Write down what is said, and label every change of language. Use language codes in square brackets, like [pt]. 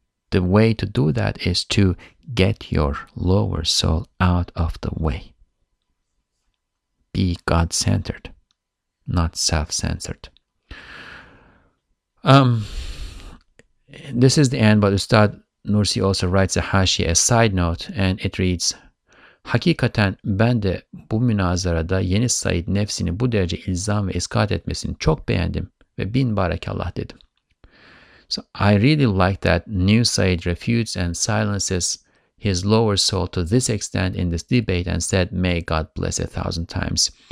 [en] The way to do that is to get your lower soul out of the way. Be God-centered, not self-centered. This is the end, but Ustad Nursi also writes a hashi, a side note, and it reads, [tr] hakikaten ben de bu münazarada Yeni Said nefsini bu derece ilzam ve iskat etmesini çok beğendim ve bin barakallah dedim. [en] So I really like that New Said refutes and silences his lower soul to this extent in this debate and said, may God bless 1,000 times.